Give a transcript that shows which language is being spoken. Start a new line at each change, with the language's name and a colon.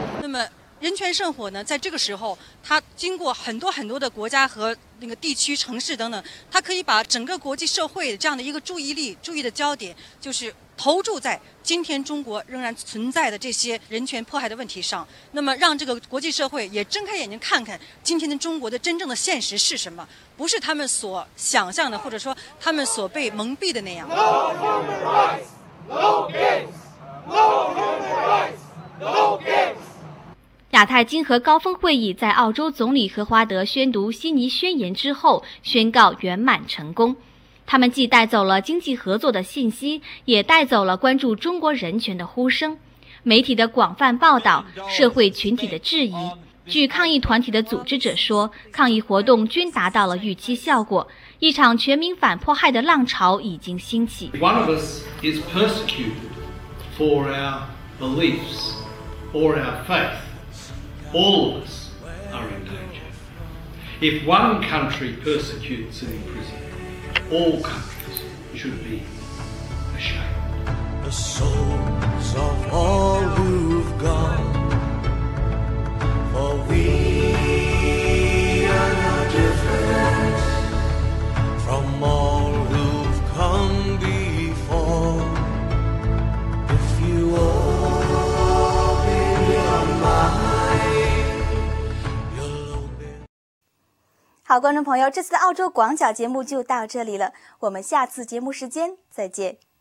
Chinese: 那么人权圣火呢，在这个时候它经过很多很多的国家和那个地区城市等等，它可以把整个国际社会这样的一个注意的焦点就是投注在今天中国仍然存在的这些人权迫害的问题上，那么让这个国际社会也睁开眼睛看看今天的中国的真正的现实是什么，不是他们所想象的或者说他们所被蒙蔽的那样。
English: No human rights, no games. No human rights, no games.
Chinese: 亚太经合高峰会议在澳洲总理何华德宣读悉尼宣言之后宣告圆满成功。他们既带走了经济合作的信息，也带走了关注中国人权的呼声，媒体的广泛报道，社会群体的质疑。据抗议团体的组织者说，抗议活动均达到了预期效果，一场全民反迫害的浪潮已经兴起。
English: One of us is persecuted for our beliefs or our faith. All of us are in danger. If one country persecutes and imprisons, all countries should be ashamed. The souls of all who've gone. For we are no different from all who've come before. If you open your mind, you'll open.
Chinese: 好，观众朋友，这次的澳洲广角节目就到这里了，我们下次节目时间再见。